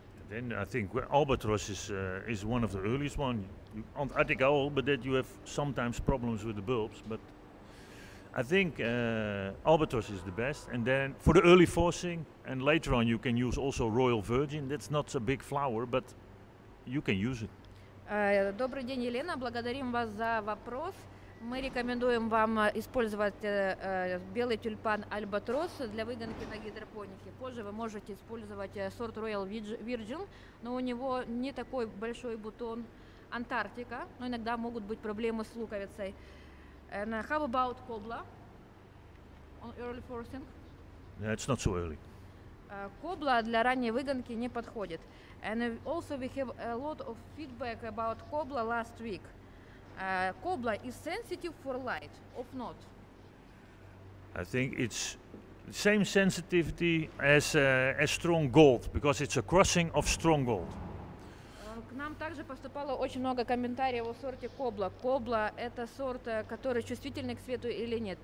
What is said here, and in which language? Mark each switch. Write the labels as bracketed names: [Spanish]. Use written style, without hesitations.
[English] Then I think Albatross is one of the earliest ones. Antarctica all, but that you have sometimes problems with the bulbs. But I think Albatross is the best. And then for the early forcing, and later on you can use also Royal Virgin. That's not a big flower, but you can use it. [Russian] Добрый день, Елена. Благодарим вас за вопрос. Мы рекомендуем вам использовать белый тюльпан Albatross для выгонки на гидропонике. Позже вы можете использовать сорт Royal Virgin, но у него не такой большой бутон Антарктика, но иногда могут быть проблемы с луковицей. [English] And how about Cobla on early forcing? Yeah, it's not so early. [Russian] Кобла для ранней выгонки не подходит. [English] And also we have a lot of feedback about Cobla last week. Cobla is sensitive for light, or not? I think it's the same sensitivity as strong gold, because it's a crossing of strong gold. [Russian] К нам также поступало очень много комментариев о сорте Cobla. Cobla – это сорт, который чувствительный к свету или нет?